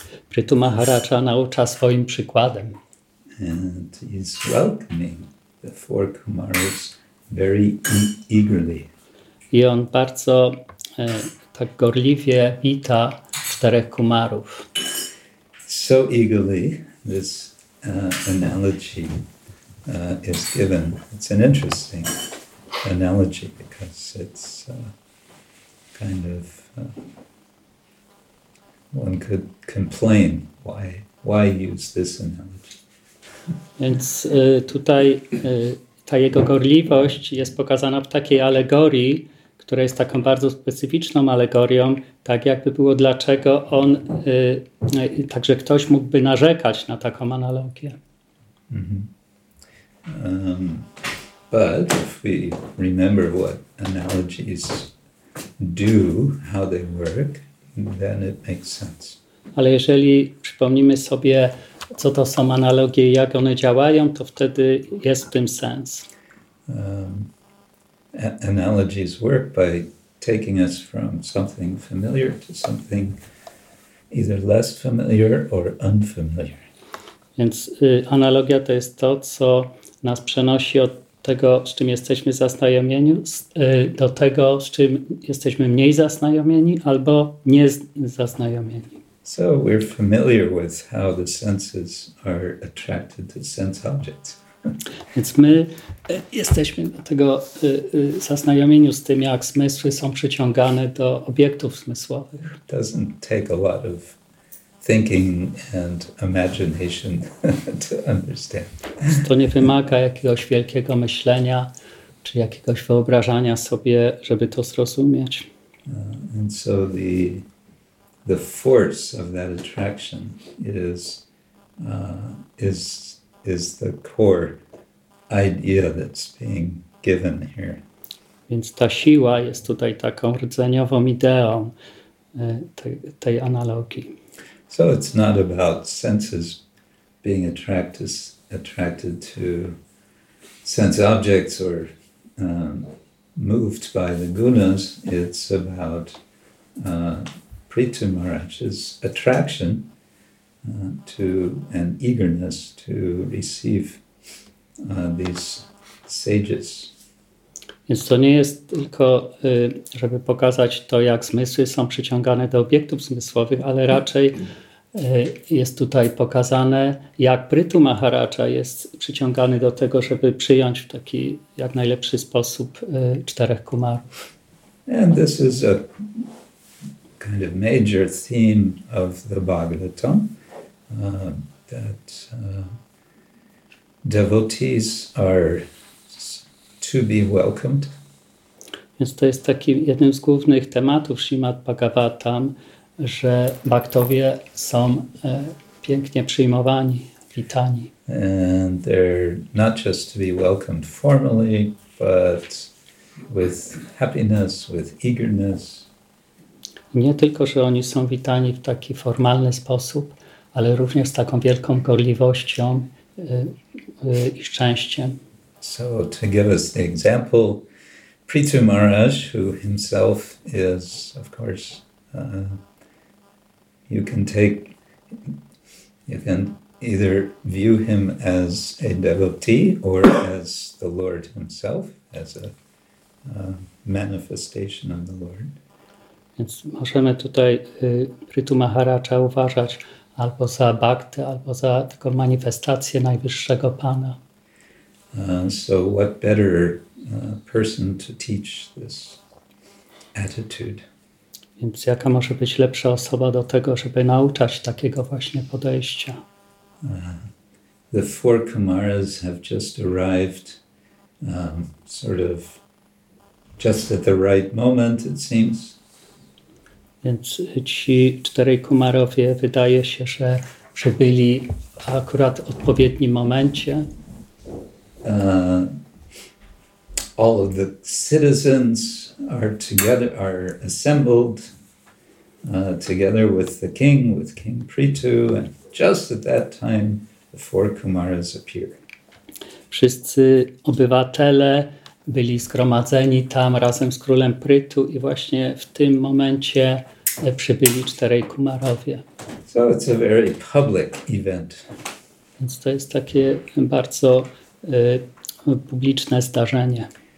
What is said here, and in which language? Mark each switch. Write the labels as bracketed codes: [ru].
[pl] Prithu Maharaja naucza swoim przykładem. [en] And he's welcoming the four Kumaras very eagerly. [pl] I on bardzo tak gorliwie wita czterech kumarów. [en] So eagerly this analogy is given. It's an interesting analogy because it's kind of one could complain why use this analogy. [pl] Więc tutaj ta jego gorliwość jest pokazana w takiej alegorii, która jest taką bardzo specyficzną alegorią, tak jakby było dlaczego on, także ktoś mógłby narzekać na taką analogię. Mm-hmm. [en] But if we remember what analogies do, how they work, then it makes sense. [pl] Ale jeżeli przypomnimy sobie, co to są analogie i jak one działają, to wtedy jest w tym sens. [en] Analogies work by taking us from something familiar to something either less familiar or unfamiliar. [pl] Więc analogia to jest to, co nas przenosi od tego, z czym jesteśmy zaznajomieni, do tego, z czym jesteśmy mniej zaznajomieni albo nie zaznajomieni. [en] So we're familiar with how the senses are attracted to sense objects. [pl] Więc my jesteśmy do tego zaznajomieni z tym, jak zmysły są przyciągane do obiektów zmysłowych. [en] It doesn't take a lot of thinking and imagination to understand. [pl] To nie wymaga jakiegoś wielkiego myślenia czy jakiegoś wyobrażania sobie, żeby to zrozumieć. [en] And so the force of that attraction is the core idea that's being given here. [pl] Więc ta siła jest tutaj taką rdzeniową ideą tej analogii. [en] So it's not about senses being attracted to sense objects or moved by the gunas. It's about Prithu Maharaj's attraction to an eagerness to receive these sages. [pl] Więc to nie jest tylko, żeby pokazać to, jak zmysły są przyciągane do obiektów zmysłowych, ale raczej jest tutaj pokazane, jak Prytu Maharaja jest przyciągany do tego, żeby przyjąć w taki jak najlepszy sposób czterech kumarów. [en] And this is a kind of major theme of the Bhagavatam, that devotees are to be welcomed. [pl] Więc to jest taki jednym z głównych tematów Śrimad Bhagavatam, że bhaktowie są pięknie przyjmowani, witani. [en] And they're not just to be welcomed formally, but with happiness, with eagerness. [pl] Nie tylko, że oni są witani w taki formalny sposób, ale również z taką wielką gorliwością i szczęściem. [en] So to give us the example, Prithu Maharaj, who himself is, of course, you can take, you can either view him as a devotee or as the Lord himself, as a manifestation of the Lord. [pl] Więc możemy tutaj Prithu Maharaja uważać albo za bhaktę, albo za taką manifestację najwyższego Pana. [en] So what better person to teach this attitude? [pl] Więc jaka może być lepsza osoba do tego, żeby nauczać takiego właśnie podejścia? [en] The four kumaras have just arrived, sort of just at the right moment, it seems. [pl] Więc ci czterej kumarowie wydaje się, że przybyli akurat w odpowiednim momencie. [en] All of the citizens are together, are assembled together with King Prithu, and just at that time the four kumaras appear. [pl] Wszyscy obywatele byli zgromadzeni tam razem z królem Prithu i właśnie w tym momencie przybyli czterej kumarowie. [en] So it's a very public event. [pl] Więc to jest takie bardzo publiczne zdarzenie.